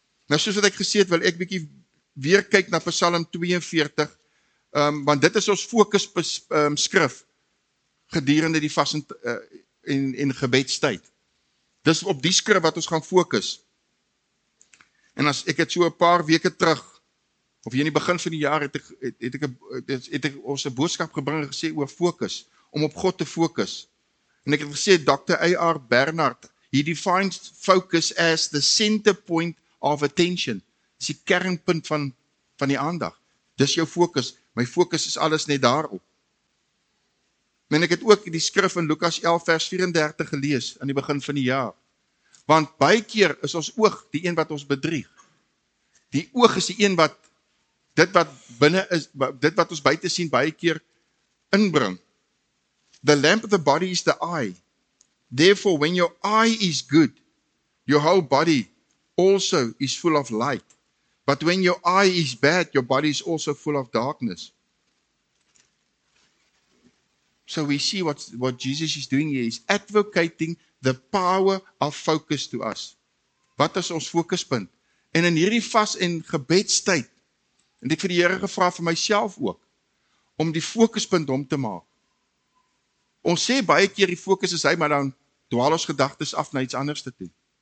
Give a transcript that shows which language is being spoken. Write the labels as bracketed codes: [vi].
[af] Nou soos wat ek gesê het, wil ek bietjie weer kyk na Psalm 42, want dit is ons fokus skrif, gedurende die vas en gebedstyd. Dis op die skrif wat ons gaan fokus. En as ek het so 'n paar weke terug, of hier in die begin van die jaar, het ek ons 'n boodskap gebring en gesê oor fokus, om op God te fokus. En ek het gesê, Dr. A.R. [en] Bernard, he defines focus as the center point of attention. [af] Dis die kernpunt van die aandag. Dis jou fokus. My fokus is alles net daarop. En ek het ook die skrif in Lukas 11 vers 34 gelees aan die begin van die jaar. Want baie keer is ons oog die een wat ons bedrieg. Die oog is die een wat dit wat binne is, dit wat ons buite sien baie keer inbring. [en] The lamp of the body is the eye. Therefore when your eye is good, your whole body also is full of light. But when your eye is bad, your body is also full of darkness. So we see what Jesus is doing here. He's advocating the power of focus to us. [af] Wat is ons fokuspunt? En in hierdie vas en gebedstyd, en ek vir die Here gevra vir myself ook, om die fokuspunt hom te maak. Ons sê baie keer die fokus is hy, maar dan dwaal ons gedagtes af na iets anders te doen.